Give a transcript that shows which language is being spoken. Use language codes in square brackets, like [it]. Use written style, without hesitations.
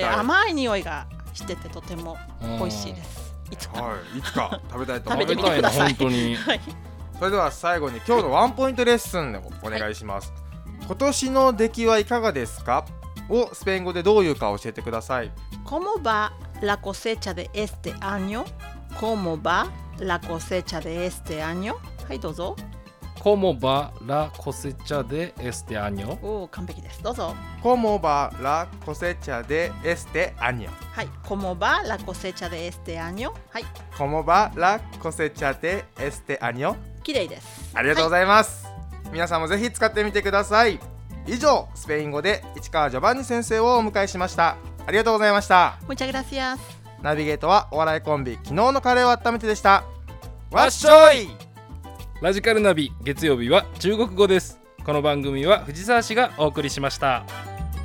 [ja] で、甘い匂いがしててとても美味しいです。いつか、はい、いつか食べたいと思います。食べてみてください、本当に。はい、それでは最後に今日のワンポイントレッスンでもお願いします、はい、今年の出来はいかがですかをスペイン語でどういうか教えてください。 [es] ¿Cómo va la cosecha de este año? ¿Cómo va la cosecha de este año? [ja] はい、どうぞ。 [es] ¿Cómo va la cosecha de este año? [ja] おお、完璧です。どうぞ。 [es] ¿Cómo va la cosecha de este año? [ja] はい。 [es] ¿Cómo va la cosecha de este año? [ja] はい。 [es] ¿Cómo va la cosecha de este año? [ja] 綺麗です。ありがとうございます。はい、皆さんもぜひ使ってみてください。以上、スペイン語で市川ジョバンニ先生をお迎えしました。ありがとうございました。 [es] Muchas gracias。 [ja] ナビゲートはお笑いコンビ、昨日のカレーを温めてでした。わっしょい！ラジカルナビ、月曜日は中国語です。この番組は藤沢氏がお送りしました。